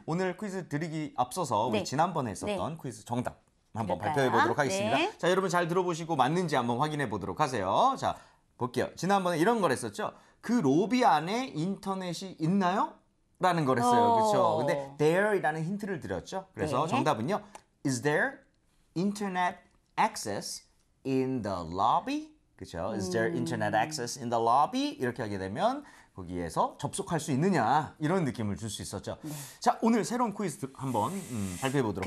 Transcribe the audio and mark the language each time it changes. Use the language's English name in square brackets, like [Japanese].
[Korean] 오늘 퀴즈 드리기 앞서서 우리 네. 지난번에 했었던 네. 퀴즈 정답 한번 그럴까요? 발표해 보도록 하겠습니다. 네. 자, 여러분 잘 들어보시고 맞는지 한번 확인해 보도록 하세요. 자. 볼게요. 지난번에 이런 걸 했었죠. 그 로비 안에 인터넷이 있나요? 라는 걸 했어요. 그렇죠? 근데 there이라는 힌트를 드렸죠. 그래서 네. 정답은요. [English] Is there internet access in the lobby? [Korean] 그렇죠? [English] Is there internet access in the lobby? [Korean] 이렇게 하게 되면 거기에서 접속할 수 있느냐 이런 느낌을 줄 수 있었죠. 네. 자, 오늘 새로운 퀴즈 한번 발표해 보도록